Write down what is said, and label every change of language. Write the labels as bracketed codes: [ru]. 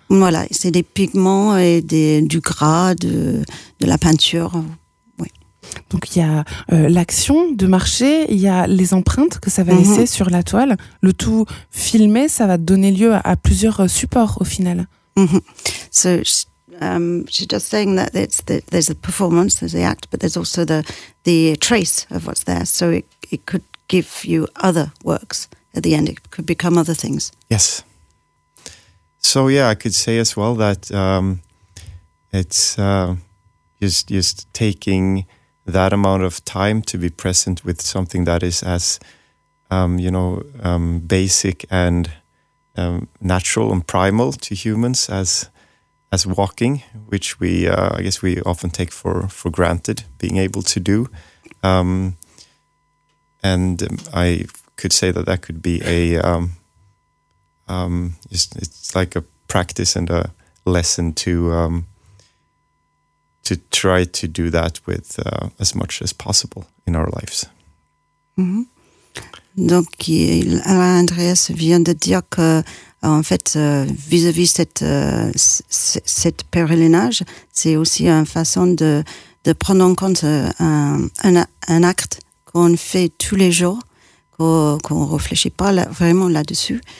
[fr] Voilà, c'est des pigments et du gras, de la peinture. Ouais. Donc il y a l'action de marcher, il y a les empreintes que ça va laisser sur la toile. Le tout filmé, ça va donner lieu à plusieurs supports au final. [en] She's just saying that there's a performance, there's the act, but there's also the trace of what's there. So it could give you other works at the end. It could become other things. Yes. So yeah, I could say as well that it's just taking that amount of time to be present with something that is as basic and natural and primal to humans as walking, which we, I guess, we often take for granted being able to do. I could say that could be a, it's like a practice and a lesson to try to do that with as much as possible in our lives. Mm-hmm. [fr] Donc, Andreas vient de dire que en fait, vis-à-vis cette pèlerinage, c'est aussi une façon de prendre en compte un acte qu'on fait tous les jours, qu'on réfléchit pas vraiment là-dessus.